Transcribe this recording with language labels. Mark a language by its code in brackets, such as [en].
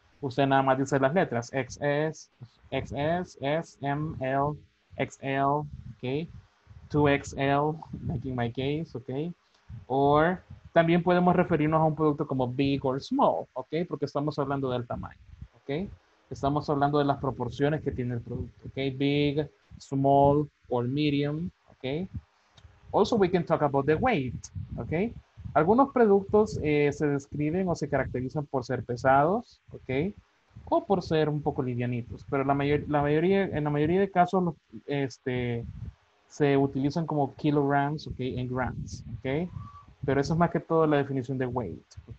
[es] Usted nada más dice las letras. XS, XS, S, M, L, XL, ok. [en] 2XL, making my case, ok. [es] Or, también podemos referirnos a un producto como [en] big or small, [es] ok. Porque estamos hablando del tamaño, ok. Estamos hablando de las proporciones que tiene el producto, ok. [en] Big, small, or medium, ok. Also, we can talk about the weight, ok. [es] Algunos productos se describen o se caracterizan por ser pesados, ¿ok? O por ser un poco livianitos. Pero la mayoría de casos se utilizan como kilograms, ¿ok? En grams, ¿ok? Pero eso es más que todo la definición de weight, ¿ok?